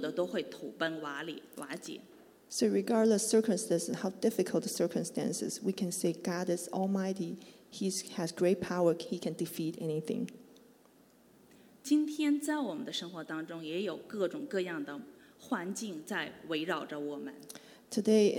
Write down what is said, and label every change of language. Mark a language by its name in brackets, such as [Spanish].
[Chinese] 那我们看到，不管在外在这个环境多么的恶劣，不管这个敌人多么的强大，只要上帝的一句话，所有的都会土崩瓦解。 [English] So regardless circumstances, how difficult the circumstances, we can say God is Almighty. He has great power. He can defeat anything. [Chinese] 今天在我们的生活当中，也有各种各样的环境在围绕着我们。 [English] Today